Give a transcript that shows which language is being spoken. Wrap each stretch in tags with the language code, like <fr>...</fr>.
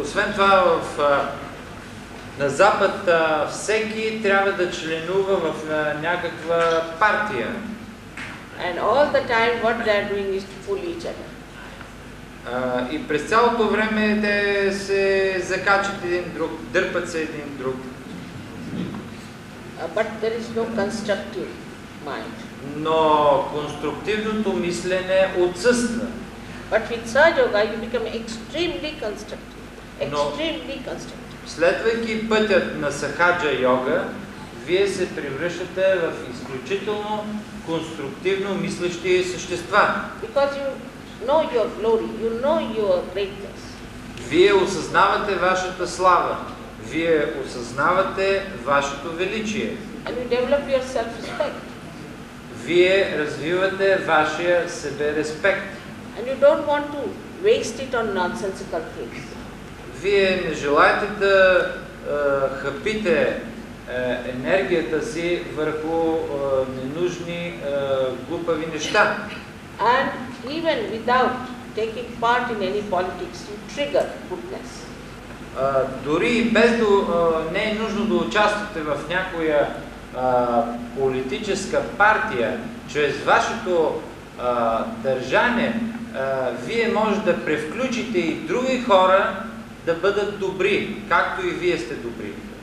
<bg>Освен това, на Запад всеки трябва да членува в някаква партия.</bg> <en>And all the time what they are doing is to fool each other.</en> <bg>И през цялото време те се закачат един друг, дърпат се един друг.</bg> <en>But there is no constructive mind.</en> <bg>Но конструктивното мислене отсъства.</bg> <en>But with Sahaja Yoga you become extremely constructive. Extremely constructive.</en> <bg>Следвайки пътят на Сахаджа йога, вие се превръщате в изключително конструктивно мислещи същества.</bg> <en>Because you know your glory, you know your greatness.</en> <bg>Вие осъзнавате вашата слава. Вие осъзнавате вашето величие.</bg> <en>And you develop your self-respect.</en> <bg>Вие развивате вашия себе-респект.</bg> <en>And you don't want to waste it on nonsensical things.</en> <bg>Вие не желаете да хапите енергията си върху ненужни глупави неща.</bg> <en>And even without taking part in any politics, you trigger goodness.</en> <bg>Дори без да не е нужно да участвате в някоя политическа партия, чрез вашето държане, вие може да превключите и други хора да бъдат добри, както и вие сте добри.</bg>